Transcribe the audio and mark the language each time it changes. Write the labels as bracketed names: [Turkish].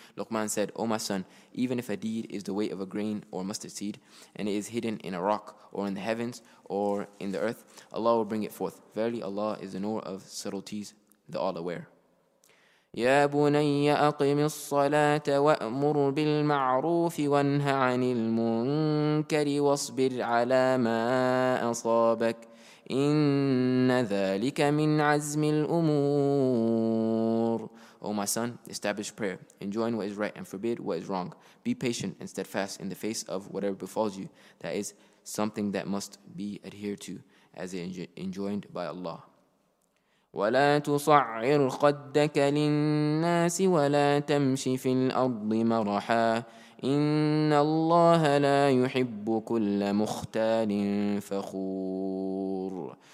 [English] Luqman said, O my son, even if a deed is the weight of a grain or mustard seed, and it is hidden in a rock or in the heavens or in the earth, Allah will bring it forth. Verily Allah is the knower of subtleties, the all-aware. [Arabic] يا بني أقم الصلاة وأمر بالمعروف وانه عن المنكر واصبر على ما أصابك إن ذلك من عزم الأمور. [English] O my son, establish prayer, enjoin what is right and forbid what is wrong. Be patient and steadfast in the face of whatever befalls you. That is something that must be adhered to, as enjoined by Allah. [Arabic] وَلَا تُصَعِّرْ خَدَّكَ لِلنَّاسِ وَلَا تَمْشِ فِي الْأَرْضِ مَرَحًا إِنَّ اللَّهَ لَا يُحِبُّ كُلَّ مُخْتَالٍ فَخُورٍ.